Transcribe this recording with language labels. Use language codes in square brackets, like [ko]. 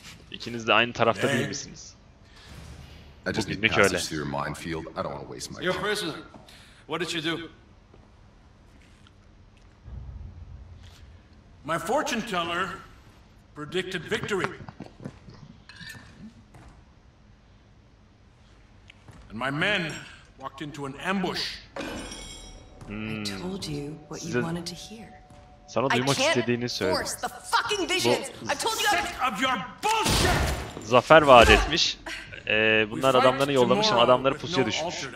[tr] İkiniz de aynı tarafta değil misiniz? [en] I just need to pass through your minefield. I don't want to waste my time. You're a prisoner. What did you do? My fortune teller predicted victory. And my men walked into an ambush. I told you what you wanted to hear. [tr] Sana duymak istediğini söyledim. [en] The fucking visions. I told you sick of your bullshit. [tr] Zafer vaat etmiş. Bunlar adamlarını yollamış ama adamları pusuya düşmüş.